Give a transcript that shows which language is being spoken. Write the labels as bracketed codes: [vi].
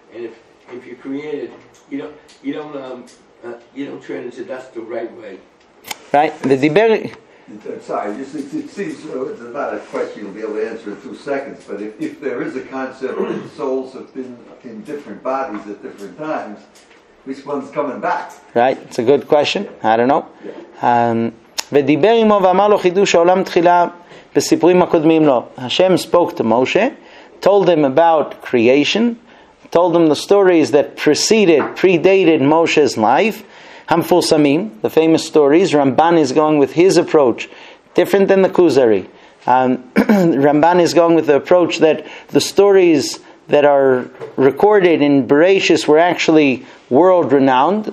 [en] And if you're created, you don't turn into dust the right way. Right. It's not a question you'll be able to answer in 2 seconds. But if there is a concept that souls have been in different bodies at different times, which one's coming back? Right. It's a good question. I don't know. Yeah. [he] ודיבר עמו ואמר לו חידוש העולם תחילה בסיפורים הקודמים לו. [en] Hashem spoke to Moshe, told him about creation, told him the stories that predated Moshe's life, המפורסמים, the famous stories. Ramban is going with his approach, different than the Kuzari. Ramban is going with the approach that the stories that are recorded in Bereshis were actually world-renowned.